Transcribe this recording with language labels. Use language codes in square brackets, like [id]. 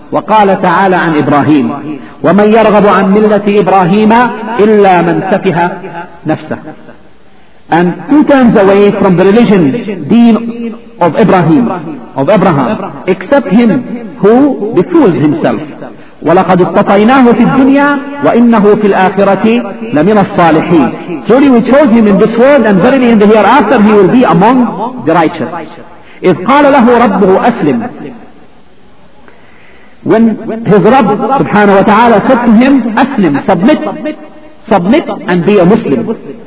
[ar] وقال تعالى عن إبراهيم ومن يرغب عن ملة إبراهيم إلا من سفه نفسه. [en] And who turns away from the religion, deen of Ibrahim, of Abraham, except him who befools himself. [ar] ولقد اصطفيناه في الدنيا وإنه في الآخرة لمن الصالحين. [en] Truly we chose him in this world, and verily in the hereafter he will be among the righteous. [ar] إذ قال له ربه أسلم. [en] When his Rabb subhanahu wa ta'ala said to him, Aslim, submit, submit and be a Muslim.